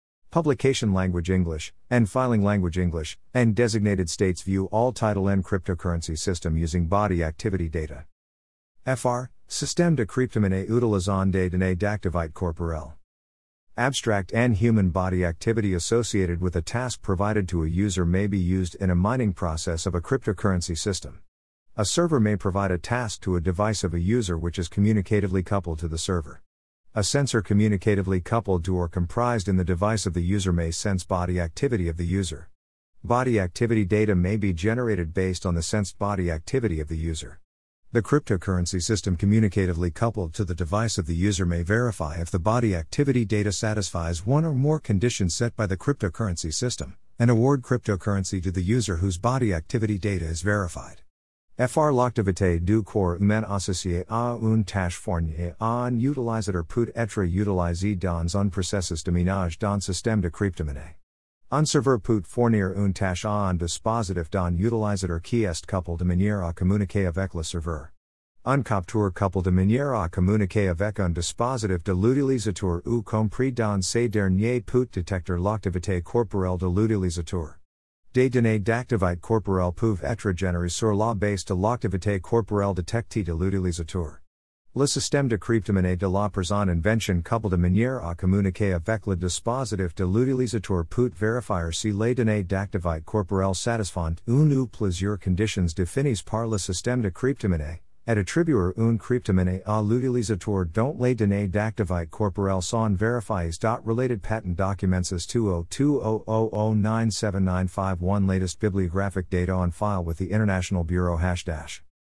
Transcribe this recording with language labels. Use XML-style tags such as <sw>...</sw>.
<en>Publication language English, and filing language English, and designated states view all Title N cryptocurrency system using body activity data.</en> <fr>FR, Système de cryptomonnaie utilisant des données d'activité corporelle.</fr> <en>Abstract and human body activity associated with a task provided to a user may be used in a mining process of a cryptocurrency system. A server may provide a task to a device of a user which is communicatively coupled to the server. A sensor communicatively coupled to or comprised in the device of the user may sense body activity of the user. Body activity data may be generated based on the sensed body activity of the user. The cryptocurrency system communicatively coupled to the device of the user may verify if the body activity data satisfies one or more conditions set by the cryptocurrency system, and award cryptocurrency to the user whose body activity data is verified.</en> <fr>FR l'activité du corps humain associé à une tâche fournie à un utilisateur peut être utilisé dans un processus de minage dans système de cryptomonnaie. Un serveur peut fournir une tâche à un dispositif d'un utilisateur qui est couplé de manière à communiquer avec le serveur. Un capteur couplé de manière à communiquer avec un dispositif de l'utilisateur ou compris dans ces derniers peut détecter l'activité corporelle de l'utilisateur. Des données d'activité corporelle peuvent être générées sur la base de l'activité corporelle détectée de l'utilisateur. Le système de cryptomonnaie de la présente invention couple de manière à communiquer avec le dispositif de l'utilisateur peut vérifier si les données d'activité corporelle satisfont une ou plusieurs conditions définies par le système de cryptomonnaie, et attribuer une cryptomonnaie à l'utilisateur dont les données d'activité corporelle sont vérifiées.</fr> <en>Related patent documents as 20200097951 latest bibliographic data on file with the International Bureau #.</en>